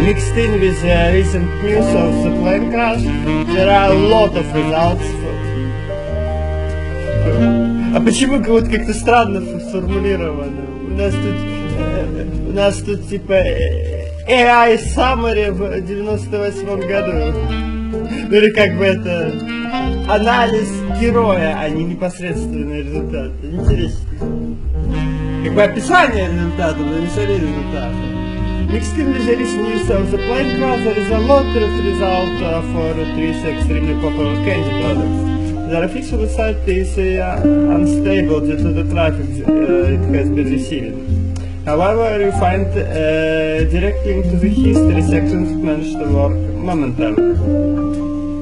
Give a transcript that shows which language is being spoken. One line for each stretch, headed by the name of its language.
English: mixed in with the recent news of the plane crash, there are a lot of results.
Russian: А почему вот как-то странно сформулировано? У нас тут типа AI summary в 98-м году. Ну или как бы это анализ героя, а не непосредственный результат. Интересно. Как бы описание результата, но не сами результаты.
English: Mixed in with the recent news of the plane crash, there is a lot of result for three extremely popular candy products. Their official site is unstable due to the traffic it has been receiving. However, you find direct link to the history section managed to work momentarily.